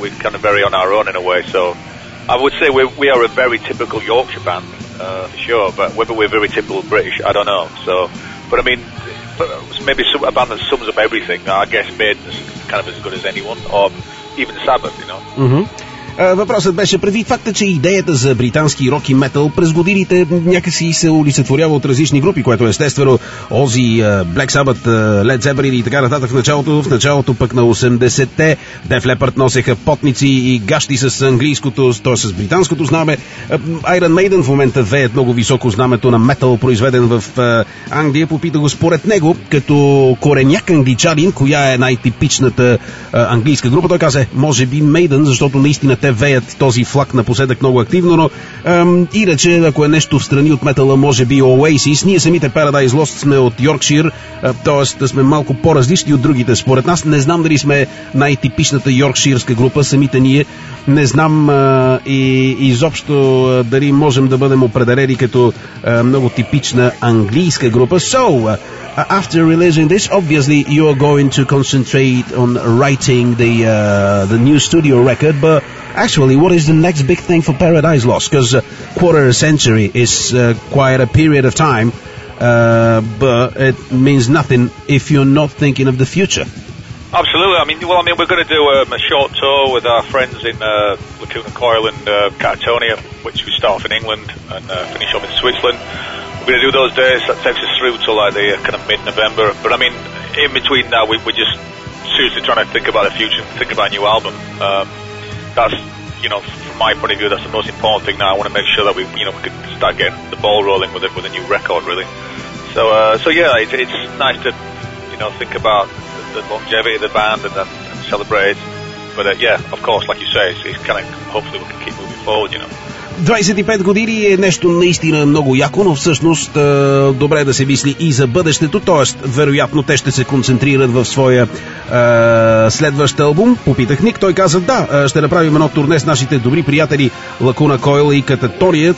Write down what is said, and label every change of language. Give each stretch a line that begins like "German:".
English: We're kind of very on our own in a way, so I would say we are a very typical Yorkshire band, for sure, but whether we're very typical British, I don't know. So, but I mean, maybe a band that sums up everything, I guess Maiden's kind of as good as anyone, or even Sabbath, you know. Mm-hmm.
Bulgarian: Въпросът беше преди факта, че идеята за британски рок и метал през годините някакси се олицетворява от различни групи, което естествено Ози, Black Sabbath, Led Zeppelin и така нататък в началото пък на 80-те Def Leppard носеха потници и гащи с английското, т.е. с британското знаме. Iron Maiden в момента веят много високо знамето на метал, произведен в Англия. Попита го според него, като кореняк англичанин, коя е най-типичната английска група. Той каза, може би Maiden, защото наистина те веят този флаг напоследък много активно, но иначе, ако е нещо в страни от метала, може би Oasis. Ние самите Paradise Lost сме от Йоркшир, т.е. сме малко по-различни от другите. Според нас, не знам дали сме най-типичната йоркширска група, самите ние. Не знам и изобщо дали можем да бъдем определени като много типична английска група.
English: So, after releasing this, obviously you are going to concentrate on writing the new studio record, but actually, what is the next big thing for Paradise Lost? Because a quarter of a century is quite a period of time, but it means nothing if you're not thinking of the future. Absolutely. I mean, we're going to do a short tour with our friends in Lacuna Coil and Catatonia, which we start off in England and finish up in Switzerland. We're going to do those days. That takes us through to like the kind of mid-November. But I mean, in between that, we're just seriously trying to think about the future, think about a new album. That's, you know, from my point of view, that's the most important thing now. I want to make sure that we can start getting the ball rolling with a new record, really. So yeah, it's nice to, you know, think about the longevity of the band and celebrate. But yeah, of course, like you say, it's kind of, hopefully we can keep moving forward, you know.
Bulgarian: 25 години е нещо наистина много яко, но всъщност добре е да се мисли и за бъдещето, т.е. вероятно те ще се концентрират в своя следващ албум. Попитах Ник, той каза да, ще направим едно турне с нашите добри приятели Lacuna Coil и Catatonia.